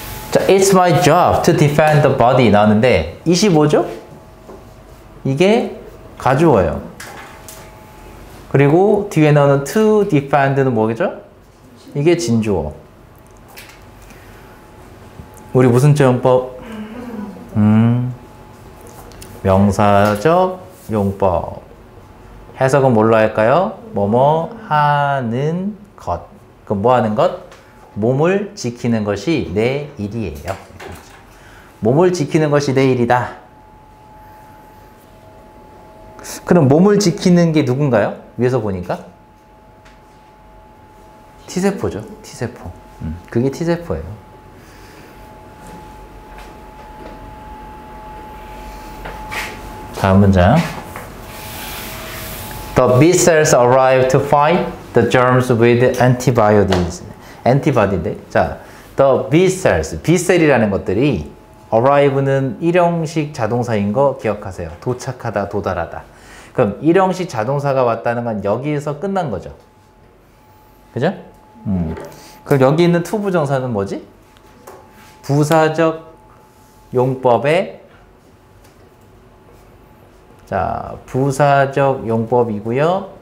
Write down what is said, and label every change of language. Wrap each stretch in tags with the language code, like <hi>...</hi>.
<en>자, It's my job to defend the body</en> <ko>나왔는데 이시 뭐죠? 이게 가주어예요. 그리고 뒤에 나오는 to defend는 뭐겠죠? 이게 진주어. 우리 무슨 지원법? 명사적 용법. 해석은 뭘로 할까요? 뭐뭐 하는 것. 그럼 뭐 하는 것? 몸을 지키는 것이 내 일이에요. 몸을 지키는 것이 내 일이다. 그럼 몸을 지키는 게 누군가요? 위에서 보니까 T세포죠. T세포. 그게 T세포예요. 다음 문장.</ko> <en>The B cells arrive to fight the germs with antibodies.</en> <ko>Antibody인데. 자, the B cells, B셀이라는 것들이 arrive는 일형식 자동사인 거 기억하세요. 도착하다, 도달하다. 그럼 일형식 자동사가 왔다는 건 여기에서 끝난 거죠. 그죠? 그럼 여기 있는 to 부정사는 뭐지? 부사적 용법의 자, 부사적 용법이고요.</ko>